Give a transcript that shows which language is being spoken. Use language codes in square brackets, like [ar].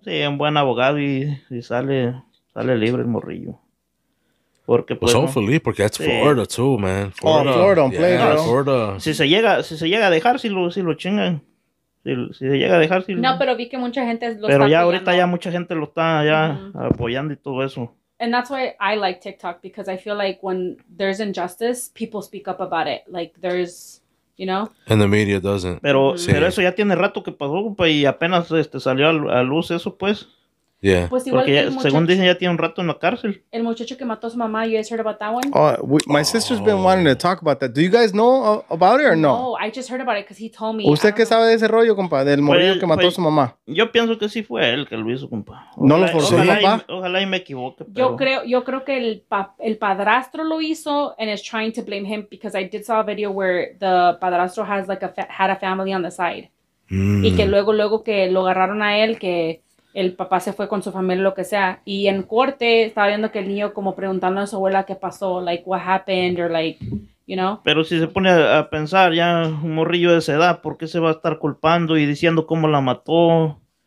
[es] Sí, un buen abogado y sale libre el morrillo. Porque pues... [en] Well, hopefully, ¿no? Porque that's Florida too, man. Florida. Oh, Florida, play, yeah, bro. Florida. [es] Si se llega a dejar, si lo chingan. Si se llega a dejar. No, pero vi que mucha gente lo pero está Pero ya apoyando. Ahorita ya mucha gente lo está ya apoyando y todo eso. [en] And that's why I like TikTok, because I feel like when there's injustice, people speak up about it. Like, there's... You know? And the media doesn't. [es] Pero eso ya tiene rato que pasó, y apenas salió a luz eso, pues. [en] Yeah. [es] Pues igual porque muchacho, según dicen, ya tiene un rato en la cárcel. El muchacho que mató a su mamá, [en] you guys heard about that one? My sister's been wanting to talk about that. Do you guys know about it or no? No, I just heard about it because he told me. [es] ¿Usted qué sabe de ese rollo, compa? Del morrillo que mató a su mamá. Yo pienso que sí fue él que lo hizo, compa. Ojalá, ¿no lo forzó, papá? Ojalá y me equivoque, pero... Yo creo que el padrastro lo hizo [en] and is trying to blame him because I did saw a video where the padrastro has like had a family on the side. [es] Y que luego que lo agarraron a él, que... El papá se fue con su familia, lo que sea. Y en corte estaba viendo que el niño como preguntando a su abuela qué pasó. [en] Like, what happened? Or like, you know. [es] Pero si se pone a pensar ya un morrillo de esa edad, ¿por qué se va a estar culpando y diciendo cómo la mató?